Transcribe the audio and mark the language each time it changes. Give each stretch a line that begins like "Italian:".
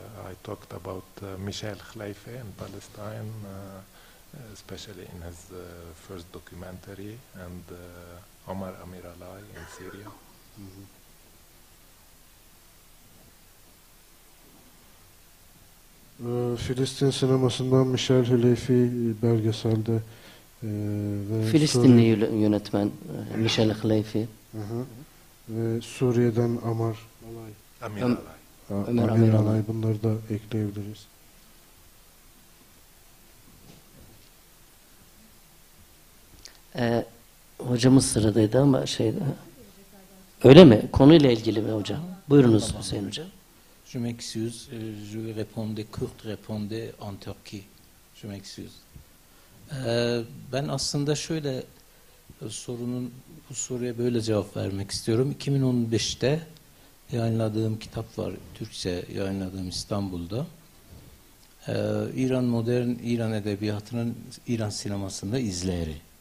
English: I talked about Michel Khleife in Palestine, especially in his first documentary, and Omar Amiralay in Syria.
Turkish: Filistin sinemasından Michel Khleife belgeselde Filistinli yönetmen Michel Khleife. Ve Suriye'den Amar Alay. Amir Alay. Bunları da ekleyebiliriz. Hocamız sıradaydı ama öyle mi? Konuyla ilgili mi hocam? Buyurunuz Hüseyin hocam.
French: Je m'excuse, je vais répondre, Kurt répondre en Turquie. Je m'excuse.
Turkish: Ben aslında şöyle sorunun, bu soruya böyle cevap vermek istiyorum. 2015'te yayınladığım kitap var, Türkçe yayınladığım İstanbul'da. İran modern, İran edebiyatının İran sinemasında izleri.